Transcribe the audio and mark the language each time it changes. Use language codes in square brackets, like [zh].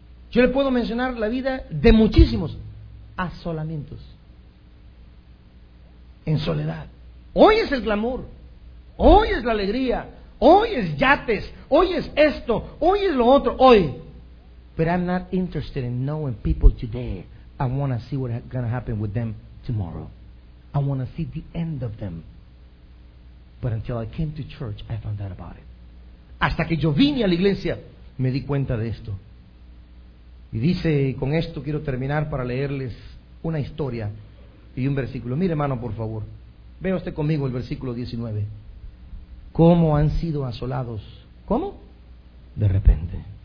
[es] Yo le puedo mencionar la vida de muchísimos asolamientos. En soledad. Hoy es el glamour. Hoy es la alegría. Hoy es yates, hoy es esto, hoy es lo otro, hoy. [en] But I'm not interested in knowing people today. I want to see what's going to happen with them tomorrow. I want to see the end of them. But until I came to church, I found out about it. [es] Hasta que yo vine a la iglesia, me di cuenta de esto. Y dice, con esto quiero terminar para leerles una historia y un versículo. Mire, hermano, por favor, vea usted conmigo el versículo 19. ¿Cómo han sido asolados? ¿Cómo? De repente.